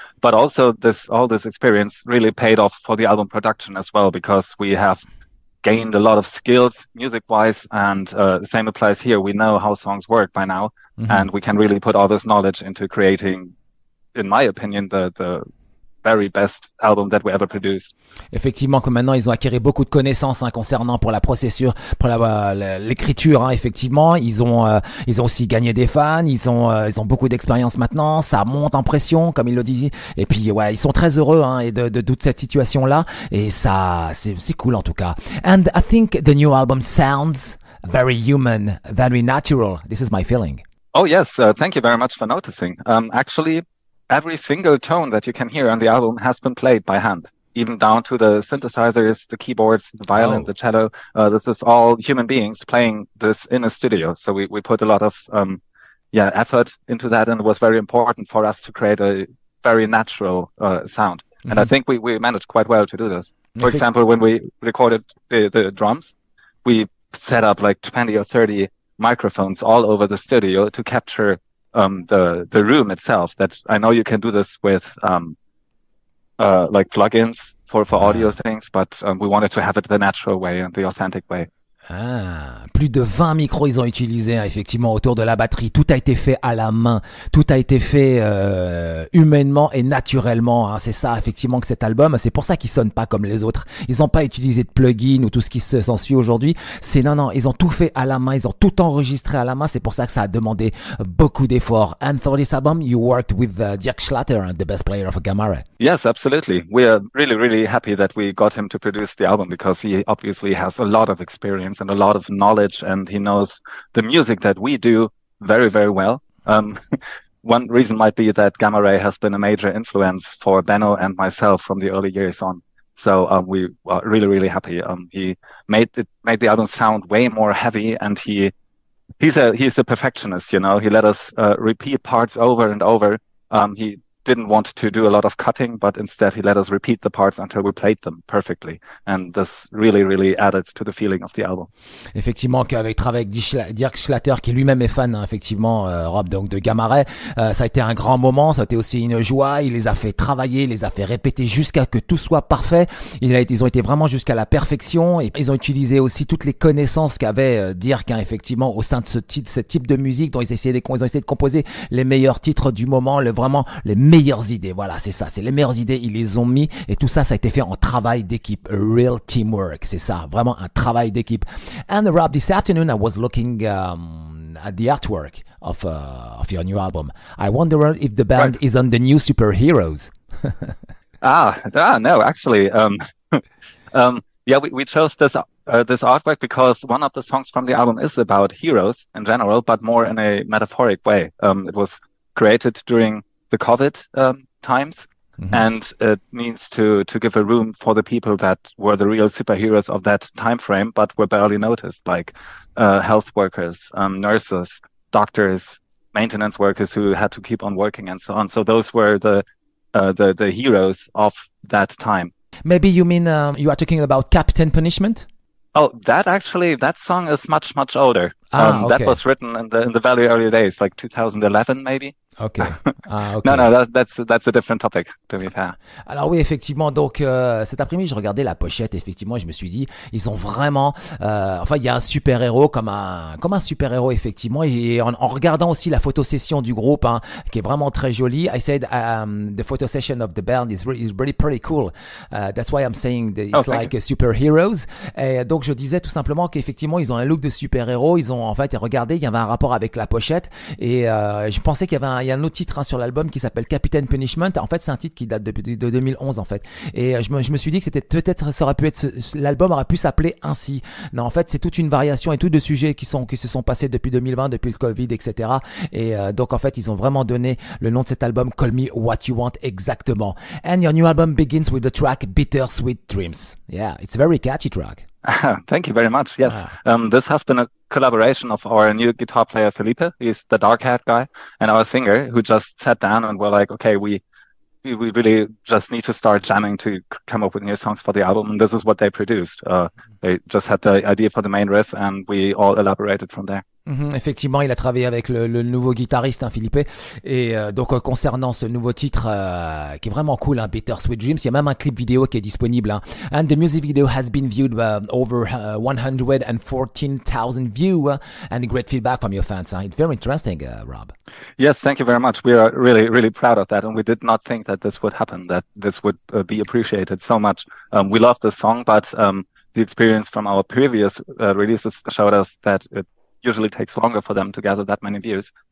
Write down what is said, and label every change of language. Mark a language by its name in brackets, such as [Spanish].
[English] But also all this experience really paid off for the album production as well, because we have gained a lot of skills music wise, and the same applies here. We know how songs work by now, mm-hmm. and we can really put all this knowledge into creating, in my opinion, the very best album that we ever produced. [French] Effectivement, comme maintenant ils ont acquéré beaucoup de connaissances hein, concernant pour la procédure, pour l'écriture. Hein, effectivement, ils ont aussi gagné des fans. Ils ont beaucoup d'expérience maintenant. Ça monte en pression, comme il le dit. Et puis ouais, ils sont très heureux hein, et de toute cette situation là. Et ça, c'est cool en tout cas. [English] And I think the new album sounds very human, very natural. This is my feeling. Oh yes, thank you very much for noticing. Actually, every single tone that you can hear on the album has been played by hand, even down to the synthesizers, the keyboards, the violin, oh. the cello. This is all human beings playing this in a studio. So we put a lot of effort into that, and it was very important for us to create a very natural sound. Mm-hmm. And I think we managed quite well to do this. For example, when we recorded the drums, we set up like 20 or 30 microphones all over the studio to capture the room itself. That I know you can do this with like plugins for audio things, but we wanted to have it the natural way and the authentic way. [French] Ah, plus de 20 micros ils ont utilisé hein, effectivement autour de la batterie. Tout a été fait à la main, tout a été fait humainement et naturellement hein. C'est ça effectivement que cet album, c'est pour ça qu'il sonne pas comme les autres. Ils n'ont pas utilisé de plugins ou tout ce qui s'ensuit aujourd'hui. C'est non, ils ont tout fait à la main, ils ont tout enregistré à la main. C'est pour ça que ça a demandé beaucoup d'efforts. [English] And for this album, you worked with Dirk Schlatter, the best player of Gamare. Yes, absolutely. We are really, really happy that we got him to produce the album, because he obviously has a lot of experience and a lot of knowledge, and he knows the music that we do very, very well. One reason might be that Gamma Ray has been a major influence for Benno and myself from the early years on. So we are really, really happy. He made the album sound way more heavy, and he's a perfectionist, you know. He let us repeat parts over and over. He didn't want to do a lot of cutting, but instead he let us repeat the parts until we played them perfectly, and this really, really added to the feeling of the album. [French] Effectivement, qu'avec travail avec Dirk Schlatter, qui lui-même est fan, hein, effectivement, Rob, donc de Gamma Ray, ça a été un grand moment, ça a été aussi une joie. Il les a fait travailler, il les a fait répéter jusqu'à que tout soit parfait. Ils ont été vraiment jusqu'à la perfection, et ils ont utilisé aussi toutes les connaissances qu'avait Dirk, hein, effectivement, au sein de ce type de musique, dont ils ont essayé de composer les meilleurs titres du moment, les meilleures idées, voilà, c'est ça, c'est les meilleures idées, ils les ont mis, et tout ça, ça a été fait en travail d'équipe, [English] a real teamwork, [French] c'est ça, vraiment un travail d'équipe. [English] And Rob, this afternoon I was looking at the artwork of your new album. I wonder if the band is on the new superheroes. No, actually, yeah, we chose this this artwork because one of the songs from the album is about heroes in general, but more in a metaphoric way. It was created during the COVID times, and it means to give a room for the people that were the real superheroes of that time frame, but were barely noticed, like health workers, nurses, doctors, maintenance workers who had to keep on working, and so on. So those were the heroes of that time. Maybe you mean you are talking about Captain Punishment? Oh, that actually, that song is much, much older. Ah, That okay. was written in the very early days, like 2011, maybe. Okay. Ah, No, okay. that's a different topic, to be fair. [French] Alors oui, effectivement, donc cet après-midi, je regardais la pochette, effectivement, et je me suis dit, ils ont vraiment... enfin, il y a un super-héros comme un super-héros, effectivement. Et en regardant aussi la photo-session du groupe, hein, qui est vraiment très jolie, [English] I said, the photo-session of the band is really pretty cool. That's why I'm saying that Oh, it's thank you. like super-heroes. [French] Et donc, je disais tout simplement qu'effectivement, ils ont un look de super-héros. Ils ont, en fait, regardé, il y avait un rapport avec la pochette. Et je pensais qu'il y avait un autre titre, hein, sur l'album qui s'appelle Captain Punishment. En fait, c'est un titre qui date de 2011 en fait. Et je me suis dit que c'était peut-être ça aurait pu être l'album aurait pu s'appeler ainsi. Non, en fait, c'est toute une variation et tout de sujets qui se sont passés depuis 2020, depuis le Covid, etc. Et donc en fait, ils ont vraiment donné le nom de cet album Call Me What You Want exactement. [English] And your new album begins with the track Bitter Sweet Dreams. Yeah, it's a very catchy track. Thank you very much. Yes. Ah. This has been a collaboration of our new guitar player, Felipe. He's the dark haired guy, and our singer, who just sat down and were like, okay, we really just need to start jamming to come up with new songs for the album. And this is what they produced. They just had the idea for the main riff, and we all elaborated from there. [French] Effectivement, il a travaillé avec le nouveau guitariste, hein, Philippe. Et donc, concernant ce nouveau titre qui est vraiment cool, hein, Bitter Sweet Dreams, il y a même un clip vidéo qui est disponible. Hein. [English] And the music video has been viewed by over 114,000 views and great feedback from your fans. Hein. It's very interesting, Rob. Yes, thank you very much. We are really, really proud of that. And we did not think that this would happen, that this would be appreciated so much. We love the song, but the experience from our previous releases showed us that it usually takes longer for them to gather that many views.